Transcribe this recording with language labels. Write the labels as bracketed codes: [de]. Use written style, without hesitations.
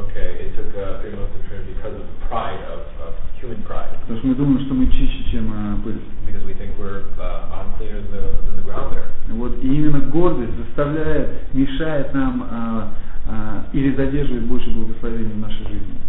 [en] Okay, it took 3 months to train because of pride, of human pride. [ru] Потому что мы думаем, что мы чище, чем пыль. [en] Because we think we're uncleaner than the ground there. [ru] Вот, и именно гордость заставляет, мешает нам или задерживает больше благословения в нашей жизни.